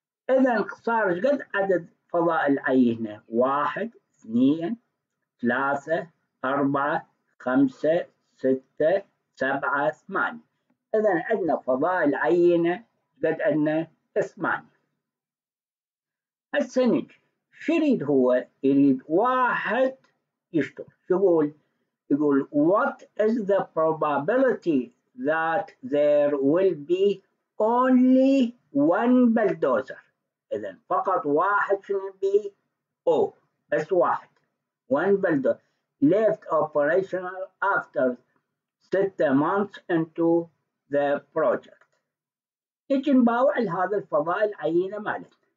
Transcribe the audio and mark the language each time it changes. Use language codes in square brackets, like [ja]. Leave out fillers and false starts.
[ar] إذن صار قد عدد فضاء العينة؟ 1, 2, 3, 4, 5, 6, 7, 8 إذا عندنا فضاء العينة قد عندنا 8. هسه نجي شو يريد هو؟ يريد واحد يشتغل. يقول [en] what is the probability that there will be only one bulldozer؟ [ar] إذا فقط واحد شنو بي؟ أو بس واحد. [en] One bulldozer left operational after 6 months into the project. [ar] يجي نباوع لهذا الفضاء العينة مالت.